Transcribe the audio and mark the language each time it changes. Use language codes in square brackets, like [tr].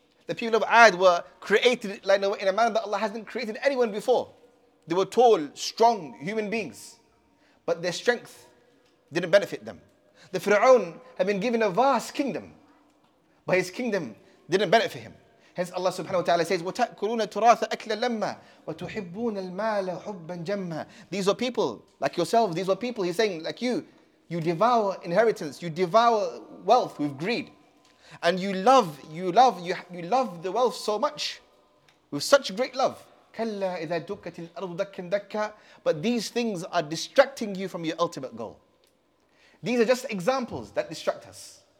[en] The people of Ad were created in a manner that Allah hasn't created anyone before. They were tall, strong human beings, but their strength didn't benefit them. The Fir'aun had been given a vast kingdom, but his kingdom didn't benefit him. Hence Allah subhanahu wa ta'ala says, [ar] وَتَأْكُلُونَ تُرَاثَ أَكْلَ لَمَّا وَتُحِبُّونَ الْمَالَ حُبًّا جَمَّا. [en] These are people like yourself. These are people, he's saying, like you. You devour inheritance. You devour wealth with greed. And you love the wealth so much, with such great love. [ar] كَلَّا إِذَا دُكَّتِ الْأَرْضُ دَكًا دَكًا. [en] But these things are distracting you from your ultimate goal. These are just examples that distract us.